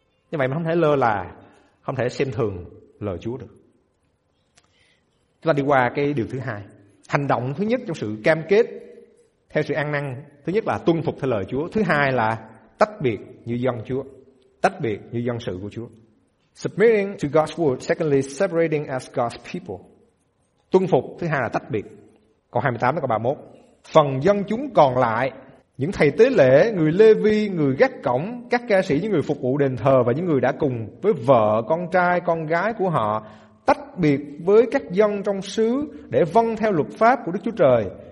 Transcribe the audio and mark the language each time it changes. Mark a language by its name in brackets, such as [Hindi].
[Vietnamese] Như vậy mà không thể lơ là, không thể xem thường lời Chúa được. Chúng ta đi qua cái điều thứ hai. Hành động thứ nhất trong sự cam kết theo sự ăn năn, thứ nhất là tuân phục theo lời Chúa, thứ hai là tách biệt như dân Chúa, tách biệt như dân sự của Chúa. [English] Submitting to God's word, secondly separating as God's people. [Vietnamese] Tuân phục, thứ hai là tách biệt. Câu 28 đến câu 31. Phần dân chúng còn lại, những thầy tế lễ, người Lê Vi, người gác cổng, các ca sĩ, những người phục vụ đền thờ và những người đã cùng với vợ, con trai, con gái của họ tách biệt với các dân trong xứ để vâng theo luật pháp của Đức Chúa Trời.